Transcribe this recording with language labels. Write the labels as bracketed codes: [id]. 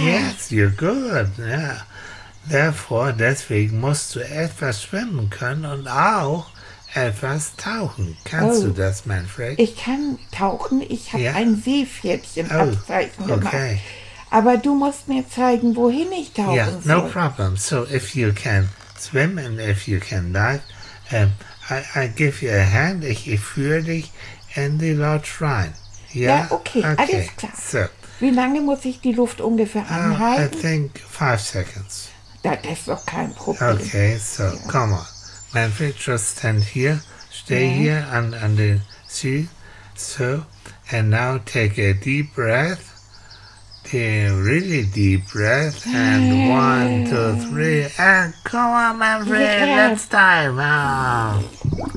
[en] Yes, you're good. Yeah. [de] Deswegen musst du etwas schwimmen können und auch etwas tauchen. Kannst du das, Manfred? Ich kann tauchen. Ich habe ein Seepferdchen abzeichnen gemacht. Aber du musst mir zeigen, wohin ich tauchen soll. [en] No problem. So, if you can swim and if you can dive, I give you a hand. [de] Ich führe dich in die Lodge rein. Okay. Alles klar. So. Wie lange muss ich die Luft ungefähr anhalten? [en] I think 5 seconds. [de] Das ist doch kein Problem. [en] Okay, so, come on. Manfred, just stand here, stay here and the sea, so, and now take a deep breath, a really deep breath, and 1, 2, 3, and come on, Manfred, let's dive.